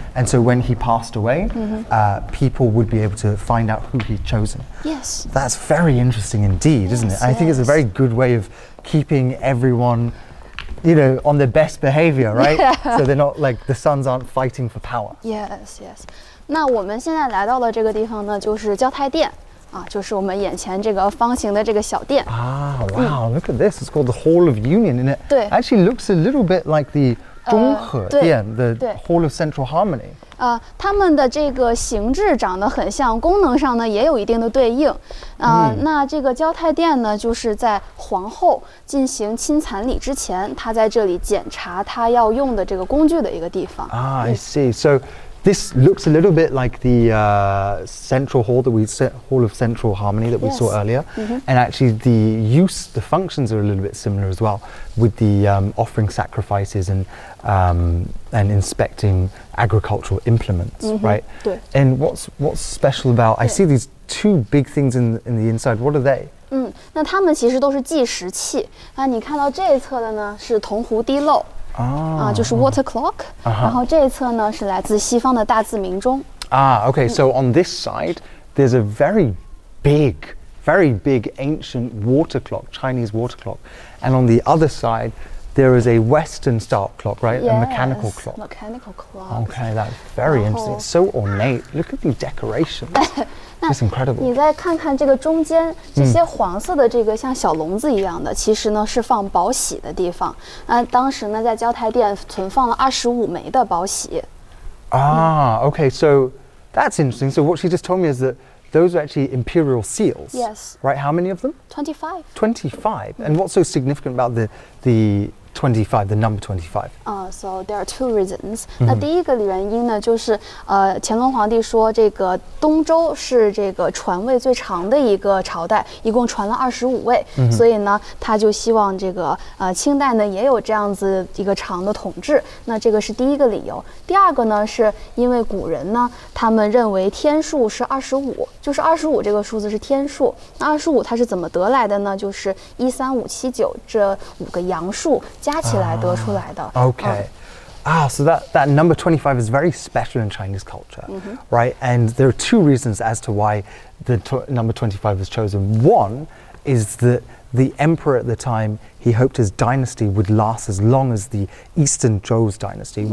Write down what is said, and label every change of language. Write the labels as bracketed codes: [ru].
[en] And so when he passed away, mm-hmm. People would be able to find out who he'd chosen. Yes. That's very interesting indeed, yes, isn't it? Yes. I think it's a very good way of keeping everyone, you know, on their best behavior, right? Yeah. So they're not like, the sons aren't fighting for power. Yes, yes. [zh] 那我们现在来到了这个地方呢，就是交泰殿。就是我们眼前这个方形的这个小殿。 [en] Wow, look at this. It's called the Hall of Union, isn't it? [zh] 对。 [en] Actually looks a little bit like the 中和殿, the Hall of Central Harmony. [zh] 它们的这个形制长得很像，功能上呢也有一定的对应。那这个交泰殿呢，就是在皇后进行亲蚕礼之前，她在这里检查她要用的这个工具的一个地方。 [en] I see. So,this looks a little bit like the central hall that we set, Hall of Central Harmony that we yes. saw earlier. Mm-hmm. And actually the use, the functions are a little bit similar as well with the offering sacrifices and inspecting agricultural implements, mm-hmm. right? [zh] 对. [en] And what's special about, I see these two big things in the inside, what are they? [zh] 那它们其实都是计时器。那你看到这一侧的呢是铜壶滴漏。就是 [en] water clock,、 uh-huh. [zh] 然后这一侧呢是来自西方的大字明钟。 [en] Okay, so on this side, there's a very big ancient water clock, Chinese water clock. And on the other side, there is a Western style clock, right? Yes, a mechanical clock. Mechanical clock. Okay, that's very interesting. It's so ornate. Look at these decorations. It's incredible. [zh] 你再看看这个中间这些黄色的这个像小笼子一样的、其实呢是放宝玺的地方。那当时呢在交泰殿存放了25枚的宝玺。 [en] Okay, so that's interesting. So what she just told me is that those are actually imperial seals. Yes. Right, how many of them? 25. 25. And what's so significant about the 25, the number 25? So there are two reasons. [zh] 那第一个原因呢就是乾隆皇帝说这个东周是这个传位最长的一个朝代，一共传了25位，所以呢他就希望这个清代呢也有这样子一个长的统治。那这个是第一个理由。第二个呢是因为古人呢他们认为天数是25，就是25这个数字是天数。那25它是怎么得来的呢？就是13579这五个阳数加起来得出来的。 [en] Okay. So that number 25 is very special in Chinese culture,、 mm-hmm. right? And there are two reasons as to why the number 25 was chosen. One is that the emperor at the time, he hoped his dynasty would last as long as the Eastern Zhou's dynasty,、mm-hmm.